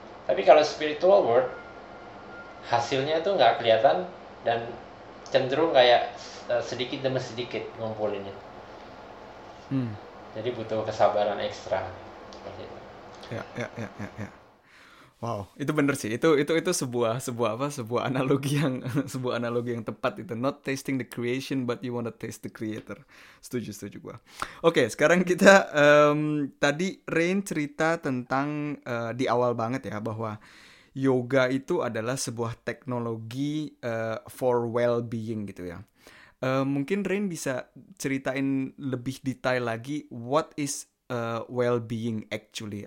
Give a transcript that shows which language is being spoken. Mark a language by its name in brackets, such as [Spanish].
[Indonesian] Tapi kalau [English] spiritual world [Indonesian] hasilnya tuh nggak kelihatan dan cenderung kayak sedikit demi sedikit ngumpulinnya. Jadi butuh kesabaran ekstra. Ya. Wow, itu bener sih. Itu sebuah sebuah apa? Sebuah analogi yang sebuah analogi yang tepat itu. [English] Not tasting the creation, but you want to taste the creator. [Indonesian] Setuju, setuju gua. Oke, sekarang kita tadi Rain cerita tentang di awal banget ya, bahwa yoga itu adalah sebuah teknologi [English] for well-being [Indonesian] gitu ya. Mungkin Rain bisa ceritain lebih detail lagi [English] what is well-being actually.